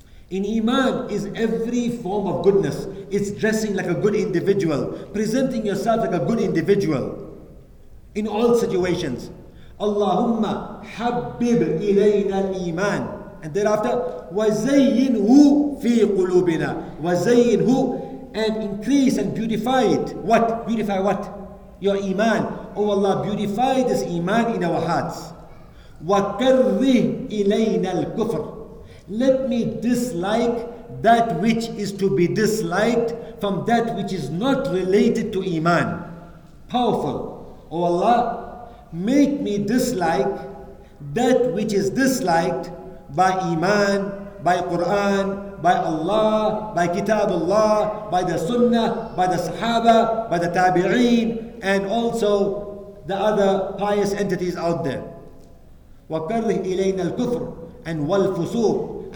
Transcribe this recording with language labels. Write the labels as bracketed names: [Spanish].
[English] In iman is every form of goodness. It's dressing like a good individual, presenting yourself like a good individual in all situations. [Arabic] Allahumma habib ilayna al-iman. [English] And thereafter, [Arabic] وَزَيِّنْهُ فِي قُلُوبِنَا. وَزَيِّنْهُ, [English] and increase and beautify it. What? Beautify what? Your iman. Oh Allah, beautify this iman in our hearts. [Arabic] وَكَرِّهْ إِلَيْنَا الْكُفْرِ. [English] Let me dislike that which is to be disliked from that which is not related to iman. Powerful. Oh Allah, make me dislike that which is disliked by iman, by Quran, by Allah, by Kitabullah, by the Sunnah, by the Sahaba, by the Tabi'een, and also the other pious entities out there. [Arabic] وَكَرِّهْ إِلَيْنَا الْكُفْرِ [English] and [Arabic] وَالْفُسُوقِ.